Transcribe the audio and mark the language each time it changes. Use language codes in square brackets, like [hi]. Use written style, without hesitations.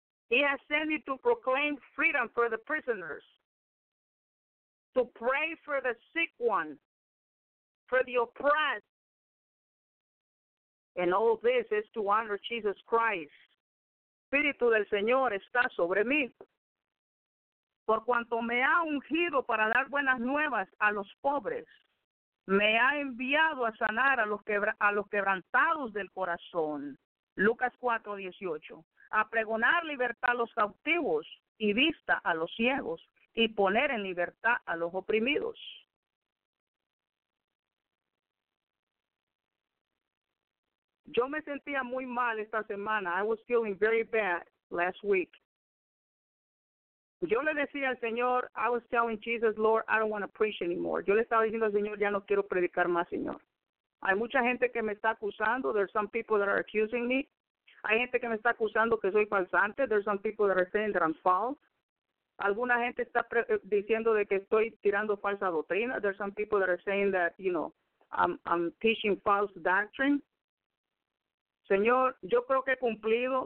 [en] He has sent me to proclaim freedom for the prisoners, to pray for the sick one, for the oppressed. And all this is to honor Jesus Christ. [es] Espíritu del Señor está sobre mí, por cuanto me ha ungido para dar buenas nuevas a los pobres, me ha enviado a sanar a los quebrantados del corazón, Lucas 4:18, a pregonar libertad a los cautivos y vista a los ciegos y poner en libertad a los oprimidos. Yo me sentía muy mal esta semana. [en] I was feeling very bad last week. [es] Yo le decía al Señor, [en] I was telling Jesus, Lord, I don't want to preach anymore. [es] Yo le estaba diciendo al Señor, ya no quiero predicar más, Señor. Hay mucha gente que me está acusando. [en] There's some people that are accusing me. [es] Hay gente que me está acusando que soy falsante. [en] There's some people that are saying that I'm false. [es] Alguna gente está diciendo de que estoy tirando falsa doctrina. [en] There's some people that are saying that, you know, I'm teaching false doctrine. [es] Señor, yo creo que he cumplido.